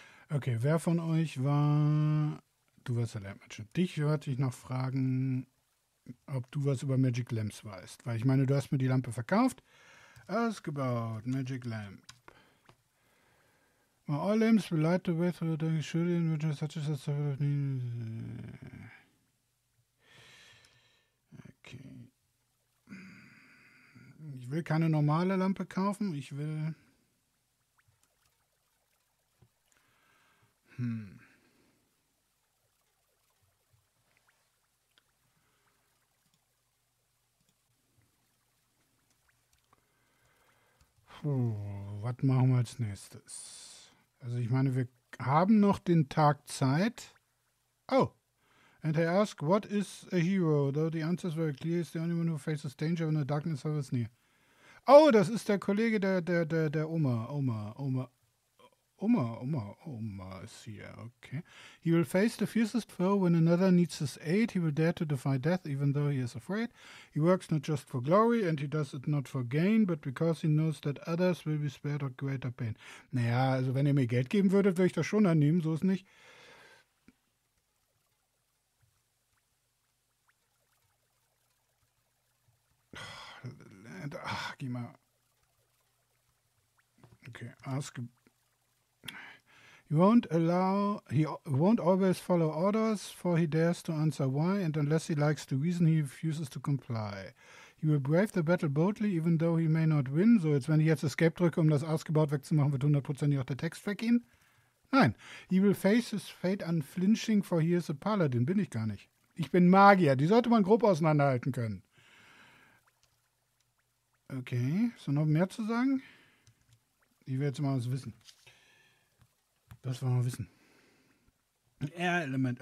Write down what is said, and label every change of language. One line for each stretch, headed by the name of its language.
German: Okay, wer von euch war... Du warst der Lampmatcher. Dich würde ich noch fragen, ob du was über Magic Lamps weißt. Weil ich meine, du hast mir die Lampe verkauft. Ausgebaut, Magic Lamp.
English: All lamps will light the way through the Shulian, which is such as a... Okay.
German: Ich will keine normale Lampe kaufen. Ich will... Puh, was machen wir als nächstes? Also ich meine, wir haben noch den Tag Zeit.
English: Oh, and I ask, what is a hero? Though the answer is very clear, is the only one who faces danger when the darkness hovers near.
German: Oh, das ist der Kollege der Oma ist hier, okay.
English: He will face the fiercest foe when another needs his aid. He will dare to defy death, even though he is afraid. He works not just for glory, and he does it not for gain, but because he knows that others will be spared a greater pain.
German: Naja, also wenn ihr mir Geld geben würdet, würde ich das schon annehmen, so ist nicht. Ach, geh mal.
English: Okay, ask... He won't always follow orders, for he dares to answer why, and unless he likes the reason, he refuses to comply. He will brave the battle boldly, even though he may not win.
German: So, jetzt wenn ich jetzt Escape drücke, um das Ausgebaut wegzumachen, wird hundertprozentig auch der Text weggehen? Nein.
English: He will face his fate unflinching, for he is a paladin.
German: Bin ich gar nicht. Ich bin Magier. Die sollte man grob auseinanderhalten können. Okay. Ist da noch mehr zu sagen? Ich werde jetzt mal was wissen. Das wollen wir wissen. Air-Element.